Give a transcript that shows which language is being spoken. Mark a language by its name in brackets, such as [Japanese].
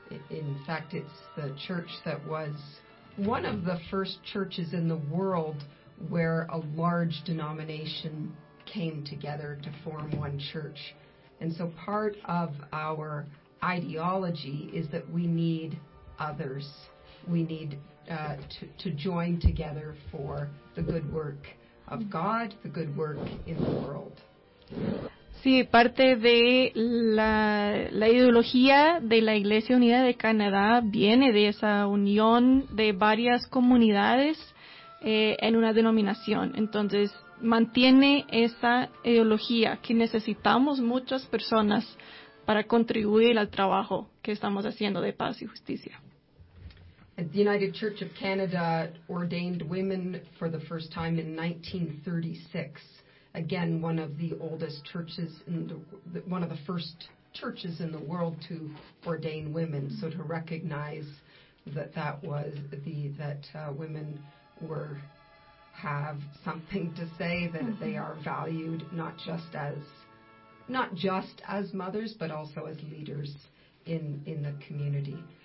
[English] In fact, it's the church that was one of the first churches in the world where a large denomination came together to form one church. And so part of our ideology is that we need others. We need to join together for the good work of God, the good work in the world. [Spanish] Sí, parte de la ideología de la Iglesia Unida de Canadá viene de esa unión de varias comunidades en una denominación. Entonces, mantiene esa ideología que necesitamos muchas personas para contribuir al trabajo que estamos haciendo de paz y justicia. [English] The United Church of Canada ordained women for the first time in 1936. Again, one of the oldest churches, one of the first churches in the world to ordain women. So to recognize that women have something to say, that they are valued not just as mothers, but also as leaders in the community.